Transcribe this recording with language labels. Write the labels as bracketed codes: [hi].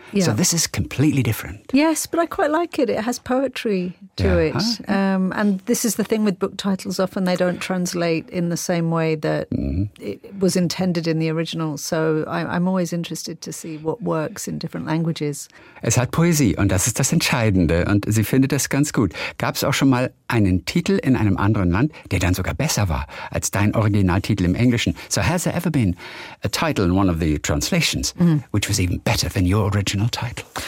[en] Yeah. So this is completely different. Yes, but I quite like it. It has poetry to yeah. it. Huh? And this is the thing with book titles. Often they don't translate in the same way that it was intended in the original. So I'm always interested to see what works in different languages. [de] Es hat Poesie und das ist das Entscheidende. Und sie findet das ganz gut. Gab es auch schon mal einen Titel in einem anderen Land, der dann sogar besser war als dein Originaltitel im Englischen. [en] So has there ever been a title in one of the translations which was even better than your original title?